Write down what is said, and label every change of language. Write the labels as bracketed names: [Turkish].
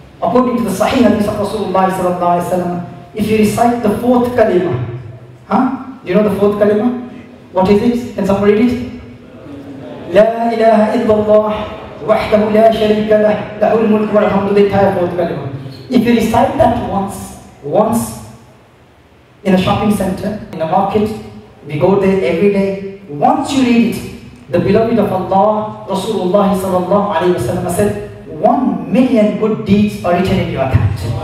[English] According to the Sahih Hadith of Rasulullah sallallahu alayhi wa sallam, if you recite the 4th kalima, do you know the 4th kalima? What is it? Can someone read it? [Arabic] La ilaha illallah وحده لا شريك له له الملك والحمد لله تعالى وتعالى. [English] If you recite that once in a shopping center, in a market, we go there every day. Once you read it, the beloved of Allah, Rasulullah sallallahu alayhi wa sallam said, 1 million good deeds are written in your account.